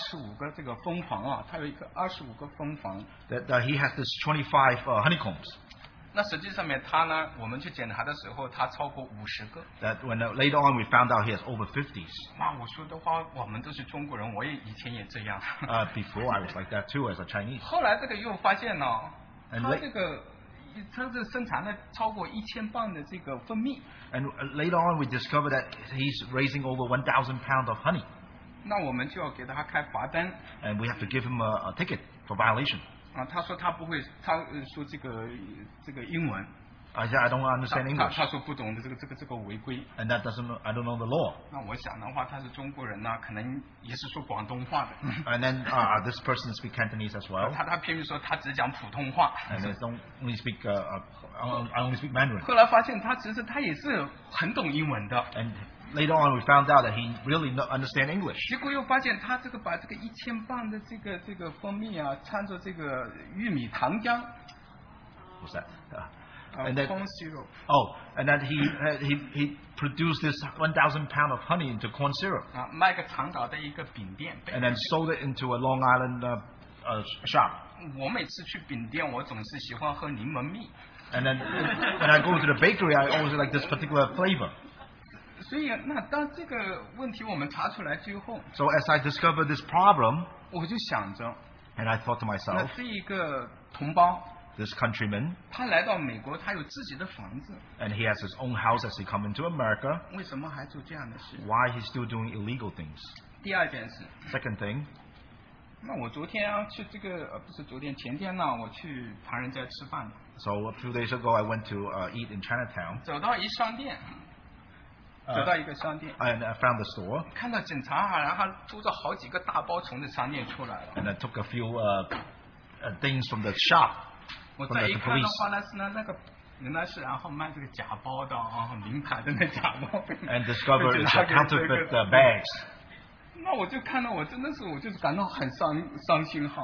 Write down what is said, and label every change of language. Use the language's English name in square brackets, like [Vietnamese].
[Chinese] 他一个人,他说跟我们报告说养了25个这个蜂房啊, 他有一个25个蜂房, [English] that he has this 25 honeycombs. [Chinese] 那实际上面他呢, 我们去检查的时候, 他超过50个, [English] that when later on we found out he has over 50s. [Chinese] 哇,我说的话, 我们都是中国人, 我以前也这样。 [English] Before I was like that too as a Chinese. [Chinese] 后来这个又发现呢, 他这个, 他是生产了超过1000磅的这个蜂蜜。 [English] And later on, we discovered that he's raising over 1,000 pounds of honey. [Chinese] 那我们就要给他开罚单。 [English] And we have to give him a ticket for violation. [Chinese] 他说他不会说这个英文。 [English] Yeah, I don't understand English. [Chinese] 他说不懂的这个违规。 [English] And that doesn't, I don't know the law. [Chinese] 那我想的话，他是中国人呢, 可能也是说广东话的。 [English] And then this person speaks Cantonese as well. [Chinese] 他偏偏说他只讲普通话。 [English] And they don't only speak I only speak Mandarin. [Chinese] 后来发现他其实他也是很懂英文的。 [English] And later on, we found out that he really understand English. [Chinese] 结果又发现他这个把这个1000磅的这个蜂蜜啊, 掺着这个玉米糖浆。 [English] What's that? And that, corn syrup. Oh, and that he produced this 1,000 pound of honey into corn syrup. [Chinese] 卖个长岛的一个饼店, [English] and then sold it into a Long Island shop. [Chinese] 我每次去饼店, 我总是喜欢喝柠檬蜜, [English] and then when I go to the bakery, I always like this particular flavor. [Chinese] 所以那当这个问题我们查出来之后, [English] so as I discovered this problem, [Chinese] 我就想着, [English] and I thought to myself, [Chinese] 那是一个同胞, [English] this countryman, [Chinese] 他来到美国, 他有自己的房子, [English] and he has his own house as he comes into America. [Chinese] 为什么还做这样的事? [English] Why he's still doing illegal things? [Chinese] 第二件事, [English] second thing, [Chinese] 那我昨天啊,去这个, 不是昨天, 前天啊, 我去唐人街吃饭, [English] so a few days ago I went to eat in Chinatown. [Chinese] 走到一商店, 走到一个商店, [English] and I found the store. [Chinese] 看到警察啊, 然后拖着好几个大包从这商店出来了, [English] and I took a few things from the shop. [Chinese] 我再一看的话呢，是那个原来是然后卖这个假包的啊，名牌的那假包 [English] ，and discovered counterfeit bags. [Chinese] 那我就看到我真的是我就是感到很伤心哈。